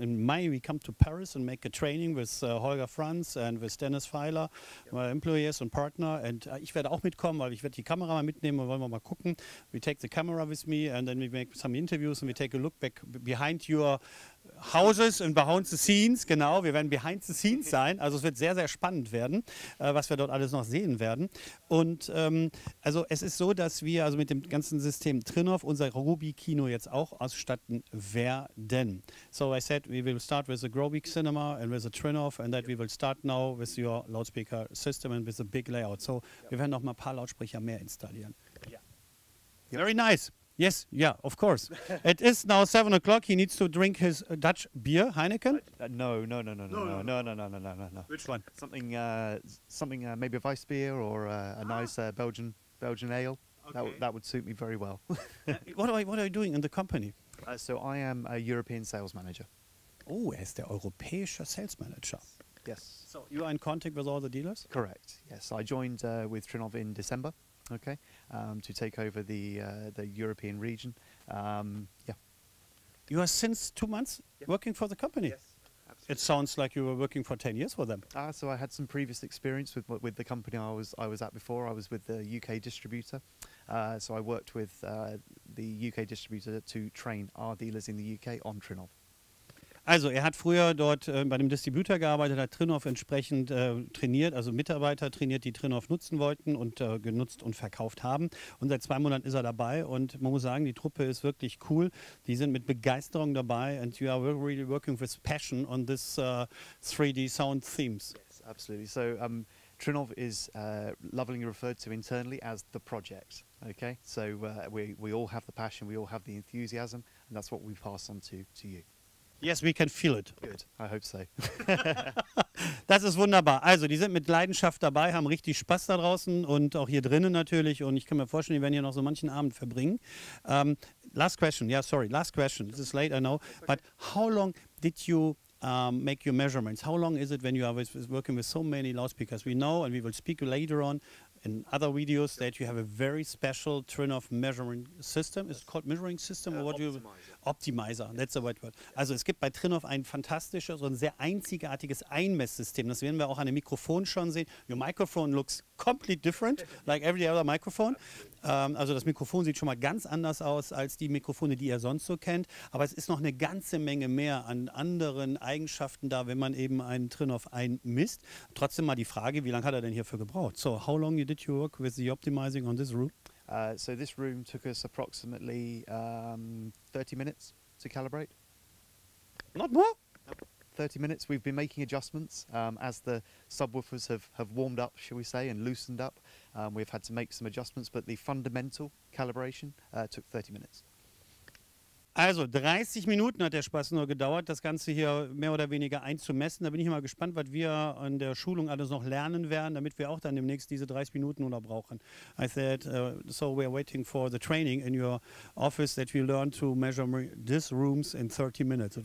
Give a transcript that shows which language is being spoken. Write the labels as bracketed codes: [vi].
[en] In Mai we come to Paris and make a training with Holger Franz and with Dennis Feiler, yep. My employees and partner. And [de] ich werde auch mitkommen, weil ich werde die Kamera mal mitnehmen und wollen wir mal gucken. [en] We take the camera with me and then we make some interviews and we take a look back behind your Houses und behind the scenes, [de] genau, wir werden [en] behind the scenes [de] sein, also es wird sehr, sehr spannend werden, was wir dort alles noch sehen werden. Und also es ist so, dass wir also mit dem ganzen System Trinov unser Ruby-Kino jetzt auch ausstatten werden. [en] So I said, we will start with the Groby Cinema and with the Trinov and that we will start now with your loudspeaker system and with the big layout. [de] So wir werden noch mal ein paar Lautsprecher mehr installieren. [en] Yeah. Very nice. Yes, yeah, of course. It is now 7 o'clock. He needs to drink his Dutch beer, Heineken. No. Which one? Something maybe a Weissbier or a nice Belgian ale. Okay. That would suit me very well. what are you doing in the company? So I am a European sales manager. [de] Oh, er ist der europäische Sales Manager. [en] Yes. So you are in contact with all the dealers? Correct. Yes, I joined with Trinov in December. Okay. To take over the European region. You are since 2 months, yep. Working for the company? Yes, absolutely. It sounds like you were working for 10 years for them. So I had some previous experience with the company I was at before. I was with the UK distributor. So I worked with the UK distributor to train our dealers in the UK on Trinov. [de] Also er hat früher dort bei dem Distributor gearbeitet, hat Trinov entsprechend trainiert, also Mitarbeiter trainiert, die Trinov nutzen wollten und genutzt und verkauft haben. Und seit 2 Monaten ist er dabei und man muss sagen, die Truppe ist wirklich cool. Die sind mit Begeisterung dabei [en] and you are really working with passion on this 3D sound themes. Yes, absolutely. So Trinov is lovingly referred to internally as the project. Okay, so we all have the passion, we all have the enthusiasm and that's what we pass on to you. Yes, we can feel it. Good, I hope so. [de] Das ist wunderbar. Also, die sind mit Leidenschaft dabei, haben richtig Spaß da draußen und auch hier drinnen natürlich. Und ich kann mir vorstellen, die werden hier noch so manchen Abend verbringen. [en] Last question. Yeah, sorry. Last question. This is late, I know. Okay. But how long did you make your measurements? How long is it when you are working with so many loudspeakers? We know, and we will speak later on in other videos, that you have a very special turn-off measuring system. Is it called measuring system? Or what Optimizer, that's the right word. [de] Also es gibt bei Trinov ein fantastisches und sehr einzigartiges Einmesssystem. Das werden wir auch an dem Mikrofon schon sehen. [en] Your microphone looks completely different, like every other microphone. [de] Also das Mikrofon sieht schon mal ganz anders aus als die Mikrofone, die ihr sonst so kennt. Aber es ist noch eine ganze Menge mehr an anderen Eigenschaften da, wenn man eben einen Trinov einmisst. Trotzdem mal die Frage, wie lange hat er denn hierfür gebraucht? [en] So, how long did you work with the optimizing on this room? So this room took us approximately 30 minutes to calibrate. Not more? 30 minutes. We've been making adjustments as the subwoofers have warmed up, shall we say, and loosened up. We've had to make some adjustments, but the fundamental calibration took 30 minutes. [de] Also 30 Minuten hat der Spaß nur gedauert, das Ganze hier mehr oder weniger einzumessen. Da bin ich mal gespannt, was wir an der Schulung alles noch lernen werden, damit wir auch dann demnächst diese 30 Minuten nur noch brauchen. [en] I said, so we are waiting for the training in your office that we learn to measure these rooms in 30 minutes.